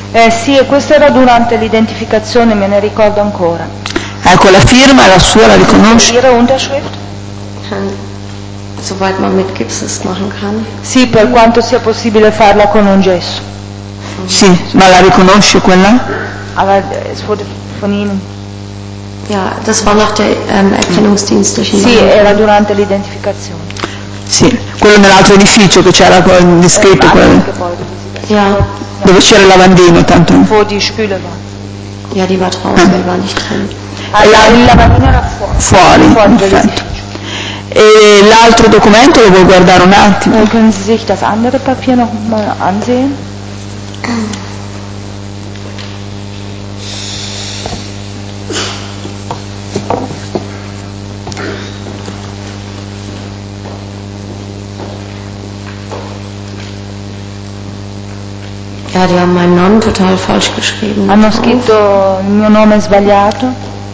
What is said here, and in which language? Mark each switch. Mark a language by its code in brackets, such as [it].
[it] Sì, questo era durante l'identificazione, me ne ricordo ancora. Ecco, la firma è la sua, la riconosce? [de] Ihre Unterschrift? Soweit man mit Gips es machen kann. [it] Sì, per quanto sia possibile farla con un gesso. Sì, ma la riconosce quella? [de] Aber es wurde von Ihnen. Ja, das war nach der Erkennungsdienstlichen. [it] Sì, era durante l'identificazione. Sì, quello nell'altro edificio che c'era con descritto quello. [de] Ja. [it] Dove c'era il lavandino tanto. [de] Wo die Spüle war. Ja, die war draußen, die war nicht drin. [it] Il lavandino era fuori. E l'altro documento lo vuoi guardare un attimo? [de] Können Sie sich das andere Papier noch mal ansehen? Ja, die haben meinen Namen total falsch geschrieben. [it] Hanno scritto il mio nome sbagliato.